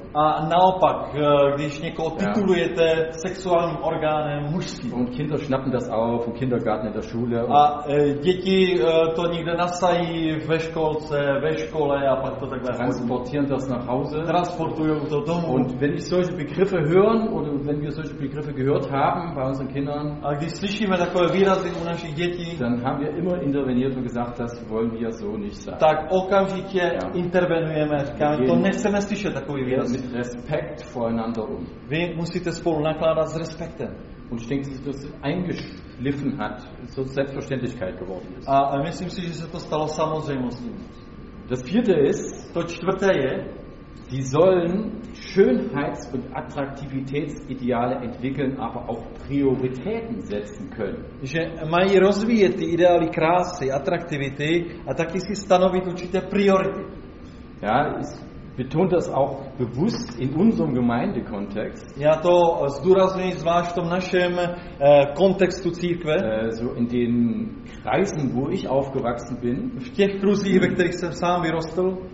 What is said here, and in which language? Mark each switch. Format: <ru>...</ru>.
<cs>A naopak, když někoho titulujete sexuálním orgánem mužským.</cs> <de>Und Kinder schnappen das auf im Kindergarten, in der Schule.</de> <cs>A děti to někde nasají ve školce, ve škole a pak to takhle</cs> <de>transportieren das nach Hause.</de> <cs>Transportují to domů.</cs> <de>Und wenn ich solche Begriffe hören oder wenn wir solche Begriffe gehört haben bei unseren Kindern,</de> <cs>a když slyšíme takové výrazy u našich dětí,</cs> <de>dann haben wir immer interveniert und gesagt, das wollen wir so nicht sagen.</de> <cs>Tak okamžitě intervenujeme, říkáme, to nechceme slyšet takový výraz.</cs> <de>Mit Respekt voreinander um.</de> <cs>Vy musíte spolu nakládat s respektem.</cs> <de>Und ich denke, dass das eingeschliffen hat, so Selbstverständlichkeit geworden ist.</de> <cs>A myslím si, že se to stalo samozřejmostí.</cs> <de>Das vierte ist,</de> <cs>to čtvrté je,</cs> <de>die sollen Schönheits- und Attraktivitätsideale entwickeln, aber auch Prioritäten setzen können.</de> <cs>Že mají rozvíjet ty ideály krásy, atraktivity a taky si stanovit určité priority.</cs> <de>Ja, ich betone das auch bewusst in unserem Gemeindekontext.</de> <cs>Já to zdůrazňuji zvlášť v našem kontextu církve.</cs> <de>So in den Kreisen, wo ich aufgewachsen bin.</de> <cs>V těch kruzích, ve kterých jsem sám vyrostl.</cs>